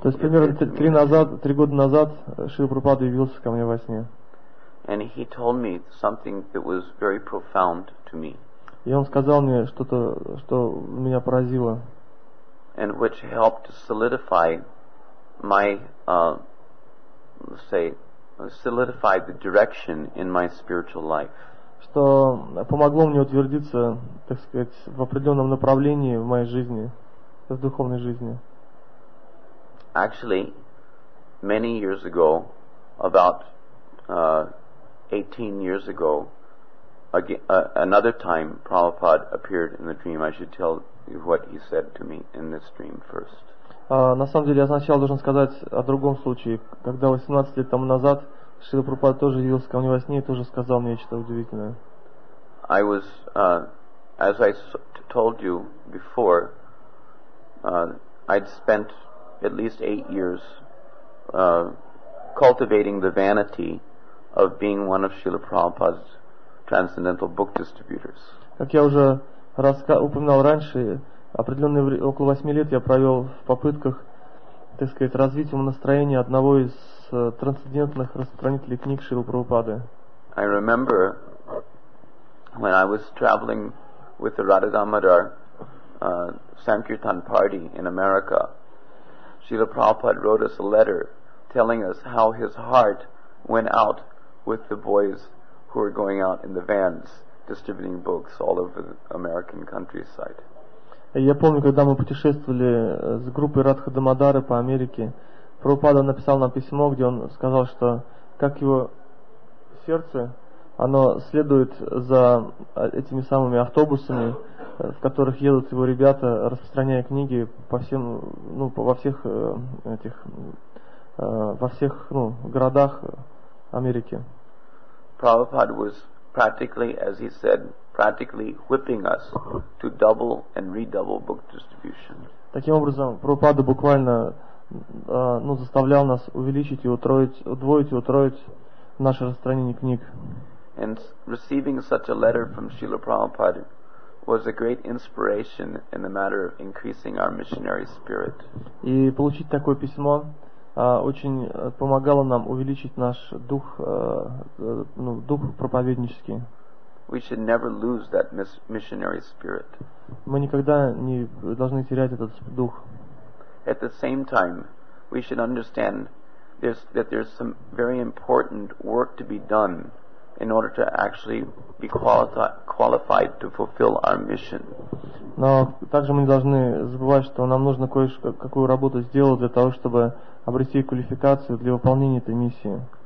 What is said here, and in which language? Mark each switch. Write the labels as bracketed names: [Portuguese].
[Russian] То есть примерно три года назад Шрила Прабхупада явился ко мне во сне. [English] And he told me something that was very profound to me. [Russian] И он сказал мне что-то, что меня поразило. [English] And which helped solidify my, solidify the direction in my spiritual life. [Russian] Что помогло мне утвердиться, так сказать, в определенном направлении в моей жизни, в духовной жизни. [English] Actually, many years ago, about 18 years ago, another time Prabhupada appeared in the dream. I should tell you what he said to me in this dream first. [Russian] На самом деле, я сначала должен сказать о другом случае, когда 18 лет тому назад Шрила Прабхупада тоже явился ко мне во сне и тоже сказал мне что-то удивительное. [English] I was, as I told you before, I'd spent at least 8 years cultivating the vanity of being one of Srila Prabhupada's transcendental book distributors. [Russian] Как я уже упоминал раньше, определенные около 8 лет я провел в попытках, так сказать, развить умонастроение одного из трансцендентных распространителей книг Шрилы Прабхупады. [English] I remember when I was traveling with the Radha Damodar Sankirtan party in America, Srila Prabhupada wrote us a letter telling us how his heart went out with the boys who were going out in the vans distributing books all over the American countryside. [Russian] Я помню, когда мы путешествовали с группой Радха Дамодары по Америке, Прабхупада написал нам письмо, где он сказал, что как его сердце, оно следует за этими самыми автобусами, в которых едут его ребята, распространяя книги по всем, ну, по, во всех этих, во всех, ну, городах Америки. [English] Prabhupada was practically, as he said, practically whipping us to double and redouble book distribution. [Russian] Таким образом, Прабхупада буквально, ну, заставлял нас увеличить и утроить, удвоить и утроить наше распространение книг. [English] And receiving such a letter from Srila Prabhupada was a great inspiration in the matter of increasing our missionary spirit. [Russian] И получить такое письмо очень помогало нам увеличить наш дух, ну, дух проповеднический. [English] We should never lose that missionary spirit. [Russian] Мы никогда не должны терять этот дух. [English] At the same time, we should understand there's, that there's some very important work to be done in order to actually be qualified to fulfill our mission. [Russian] Но также мы не должны забывать, что нам нужно кое-что, какую работу сделать для того, чтобы обрести квалификацию для выполнения этой миссии.